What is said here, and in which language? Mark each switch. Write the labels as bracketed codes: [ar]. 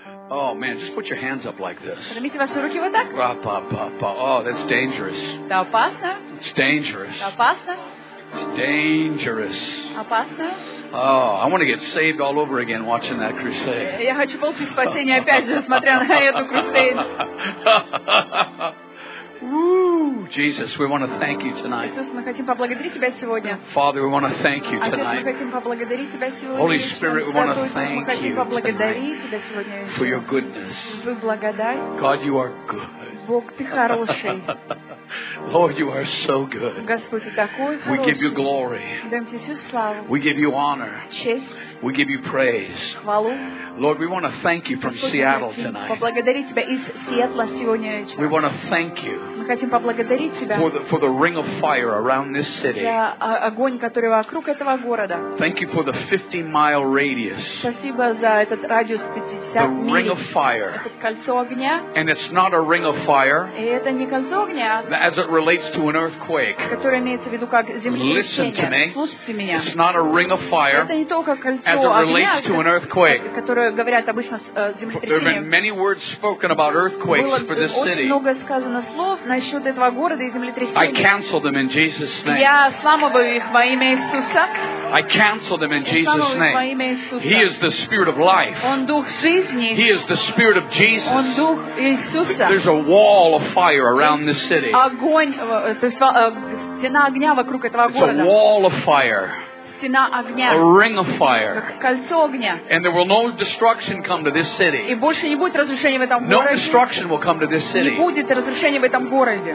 [en] Oh man, just put your hands up like this. [ru] Поднимите ваши руки вот так. [en] Па-па-па-па. Oh, that's dangerous. [ru] Это опасно. [en] It's dangerous. [ru] Это опасно. [en] It's dangerous. [ru] Опасно. [en] Oh, I want to get saved all over again watching that crusade. [ru] Я хочу получить спасение опять же, смотря на эту крусейду. [en] Jesus, we want to thank you tonight. [ru] Иисус, мы хотим поблагодарить тебя сегодня. [en] Father, we want to thank you tonight. [ru] Отец, мы хотим поблагодарить тебя сегодня. [en] Holy Spirit, we want to thank you tonight for your goodness. [ru] Твою благодать. [en] God, you are good. [ru] Бог, ты хороший. [en] Lord, you are so good. [ru] Господь, ты такой хороший. [en] We give you glory. [ru] Даем тебе всю славу. [en] We give you honor. [ru] Честь. [en] We give you praise. [ru] Хвалу. [en] Lord, we want to thank you from [ru] Господь, [en] Seattle tonight. [ru] Поблагодарить тебя из Сиэтла сегодня вечером. [en] We want to thank you. [ru] Мы хотим поблагодарить тебя. [en] For the ring of fire around this city. [ru] За огонь, который вокруг этого города. [en] Thank you for the 50-mile radius. [ru] Спасибо за этот радиус 50 миль. [en] The ring of fire. [ru] Это кольцо огня. [en] And it's not a ring of fire. [ru] И это не кольцо огня. [en] As it relates to an earthquake. [ru] Которое имеется в виду как землетрясение. [en] Listen to me. [ru] Слушайте меня. [en] It's not a ring of fire. [ru] Это не только кольцо. [en] As it relates to an earthquake. [ru] Которые говорят обычно с землетрясением. [en] There have been many words spoken about earthquakes for this city. [ru] Было очень много сказано слов насчет этого города и землетрясения. [en] I cancel them in Jesus' name. [ru] Я сломываю их во имя Иисуса. [en] I cancel them in Jesus' name. [ru] Во имя Иисуса. [en] He is the Spirit of life. [ru] Он дух жизни. [en] He is the Spirit of Jesus. [ru] Он дух Иисуса. [en] There's a wall of fire around this city. [ru] Огонь, стена огня вокруг этого города. [en] It's a wall of fire. [ru] Стена огня. [en] A ring of fire. [ru] Кольцо огня. [en] And there will no destruction come to this city. [ru] И больше не будет разрушения в этом городе. [en] No destruction will come to this city. [ru] Не будет разрушения в этом городе.